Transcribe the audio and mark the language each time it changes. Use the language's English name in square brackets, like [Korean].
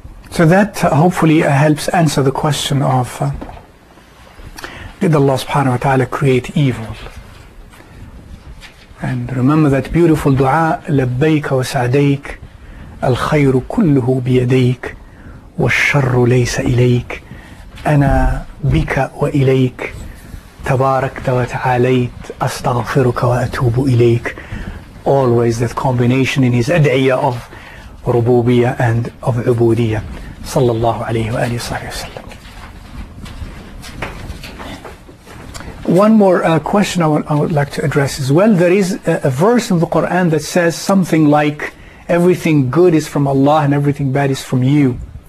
[English] So that hopefully helps answer the question of did Allah subhanahu wa ta'ala create evil? And remember that beautiful dua, [Arabic] لبيك وسعديك الخير كله بيديك والشر ليس إليك أنا بك وإليك تباركت وتعاليت أستغفرك وأتوب إليك. [English] Always that combination in his adiyah of rububiyah and of ubudiyah. [Arabic] صلى الله عليه وآله وصحبه وسلم. [English] One more question I would like to address as well. There is a verse in the Quran that says something like, everything good is from Allah and everything bad is from you.